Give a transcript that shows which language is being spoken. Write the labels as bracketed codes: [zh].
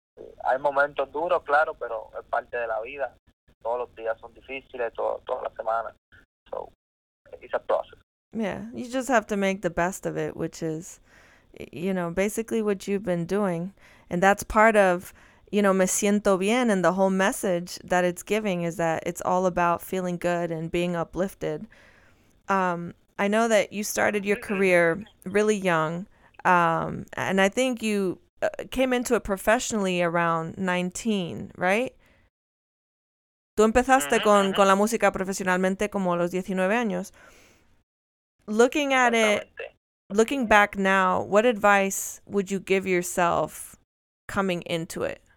[es] Hay momentos duros, claro, pero es parte de la vida. Todos los días son difíciles, todas las semanas. [en] So, it's a process. Yeah, you just have to make the best of it, which is, you know, basically what you've been doing. And that's part of, you know, me siento bien, and the whole message that it's giving is that it's all about feeling good and being uplifted. I know that you started your career really young, and I think you came into it professionally around 19, right? [es] Tú empezaste con la música profesionalmente como a los 19 años. [en] Looking at it, looking back now, what advice would you give yourself coming into it?